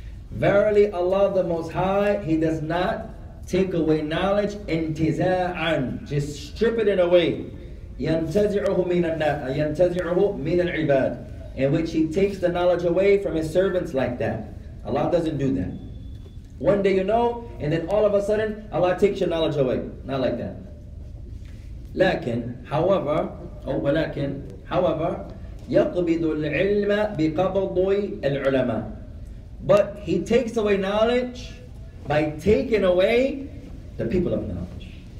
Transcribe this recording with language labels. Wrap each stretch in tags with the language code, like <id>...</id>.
<en>Verily, Allah the Most High, He does not take away knowledge</en> <ar>انتزاعًا,</ar> <en>just stripping it away.</en> <ar>ينتزعه من العباد,</ar> <en>in which he takes the knowledge away from his servants like that. Allah doesn't do that. One day you know, and then all of a sudden, Allah takes your knowledge away. Not like that. However,</en> <ar>يقبض العلم بقبض العلماء.</ar> <en>But he takes away knowledge by taking away the people of knowledge.</en>